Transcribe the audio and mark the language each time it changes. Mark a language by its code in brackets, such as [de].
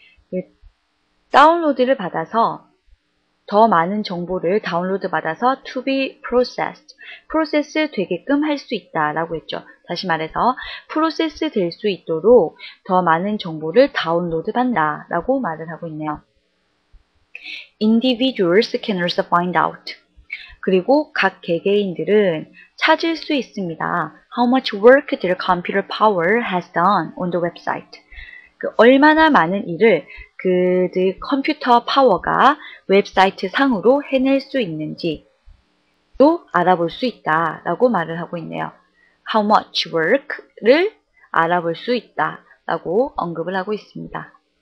[ko] 그 다운로드를 받아서 더 많은 정보를 다운로드 받아서 [en] to be processed, [ko] process 되게끔 할 수 있다라고 했죠. 다시 말해서 process 될 수 있도록 더 많은 정보를 다운로드 받는다라고 말을 하고 있네요. [en] Individuals can also find out. [ko] 그리고 각 개개인들은 찾을 수 있습니다. [en] How much work their computer power has done on the website. [ko] 그 얼마나 많은 일을 그들 컴퓨터 파워가 웹사이트 상으로 해낼 수 있는지도 알아볼 수 있다라고 말을 하고 있네요. [en] How much work [ko] 를 알아볼 수 있다라고 언급을 하고 있습니다.